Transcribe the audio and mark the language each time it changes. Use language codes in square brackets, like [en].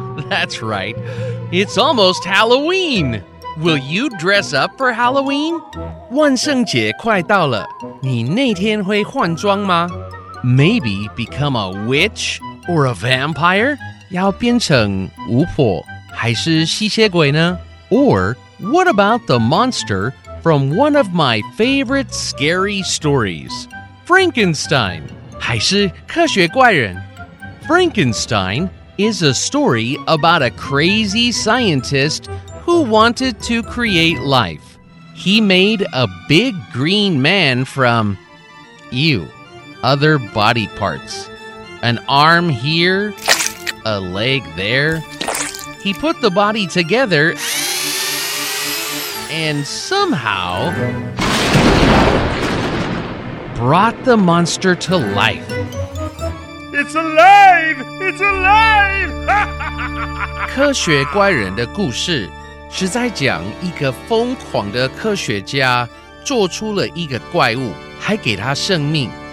[en] That's right. It's almost Halloween. Will you dress up for Halloween? [zh] 万圣节快到了，你那天会换装吗？ [en] Maybe become a witch or a vampire? [zh] 要变成巫婆还是吸血鬼呢？ [en] Or what about the monster from one of my favorite scary stories? Frankenstein [zh] 还是科学怪人？ [en] Frankenstein is a story about a crazy scientist who wanted to create life. He made a big green man from, other body parts. An arm here, a leg there. He put the body together, and somehow brought the monster to life. It's alive! It's alive! [zh] 科学怪人的故事是在讲一个疯狂的科学家做出了一个怪物，还给他生命。